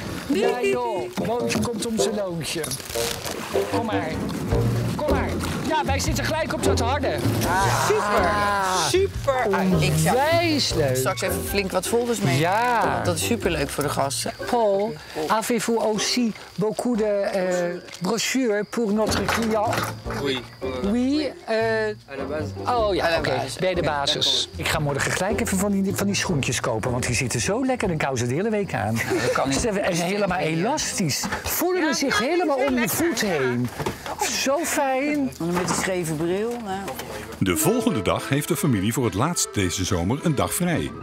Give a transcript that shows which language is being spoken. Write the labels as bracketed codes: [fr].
[nl] Ja joh, Moontje komt om zijn loontje. Kom maar. Kom maar. Ja, wij zitten gelijk op dat harde. Ja. Super. Super. Onwijs leuk. Straks even flink wat folders mee. Ja. Dat is super leuk voor de gasten. [fr] Paul, avez-vous aussi beaucoup de brochure pour notre client? Oui. Oui. Oh [nl] ja, oké. Okay. Bij de basis. Okay. Ik ga morgen gelijk even van die schoentjes kopen, want die zitten zo lekker en kousen de hele week aan. Dat kan niet. Ze zijn helemaal elastisch. Voelen ze zich helemaal om je voet heen. Zo fijn. Met die scheve bril. De volgende dag heeft de familie voor het laatst deze zomer een dag vrij.